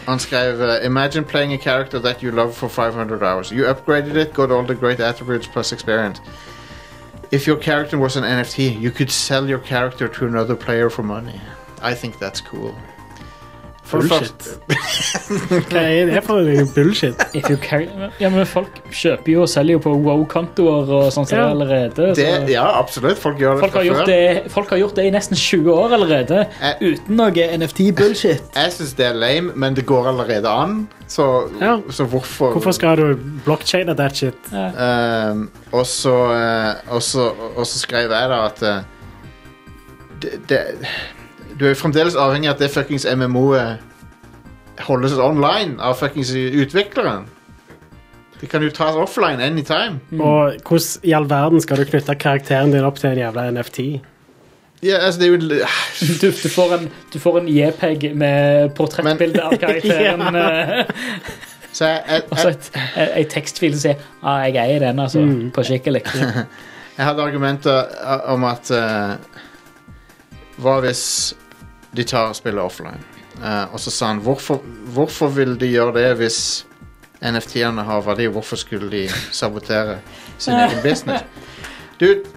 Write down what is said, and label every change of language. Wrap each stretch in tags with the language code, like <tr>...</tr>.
<no>Han skrev,</no> <en>imagine playing a character that you love for 500 hours. You upgraded it, got all the great attributes plus experience. If your character was an NFT, you could sell your character to another player for money. I think that's cool. Bullshit.</en> <no>Hva er det for noe bullshit? Ja, men folk kjøper jo og selger jo på WoW-kontoer og sånn som det allerede. Ja, absolutt. Folk gjør det fra før. Folk har gjort det i nesten 20 år allerede, uten noe NFT-bullshit. Jeg synes det er lame, men det går allerede an. Så hvorfor... Hvorfor skal du blockchain og</no> <en>that shit?</en> <no>Og så skrev jeg da at... Du er jo fremdeles avhengig av at det fuckings MMO-et holder seg online av fuckings utvikleren. Det kan jo tas offline anytime. Mm. Og hvordan i all verden skal du knytte karakteren din opp til en jævla NFT? Ja, altså det er jo... Du får en JPEG med portrettbilde av karakteren. Så også et tekstfil som sier, jeg eier den altså, på skikkelig. Jeg hadde argumenter om at hva hvis de tar og spiller offline? Og så sa han, hvorfor vil de gjøre det hvis NFT-ene har verdi, hvorfor skulle de sabotere sin egen business? Dude,</no>